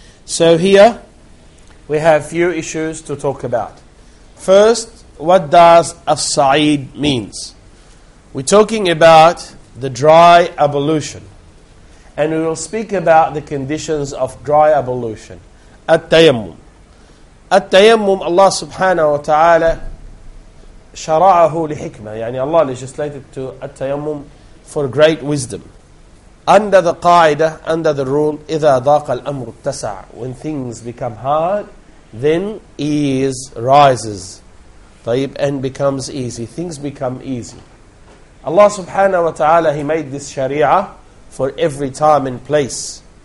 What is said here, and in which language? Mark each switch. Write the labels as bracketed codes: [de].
[en] So here we have few issues to talk about. First, what does as-sa'id means? We're talking about the dry ablution, and we will speak about the conditions of dry ablution, at-tayammum. [ar] التيمم الله سبحانه وتعالى شرعه لحكمة، يعني الله [en] legislated to [ar] التيمم [en] for great wisdom. Under the قاعدة, under the rule, [ar] إذا ضاق الأمر اتسع. [en] When things become hard, then ease rises. طيب, and becomes easy. Things become easy. Allah سبحانه وتعالى, He made this شريعة for every time and place.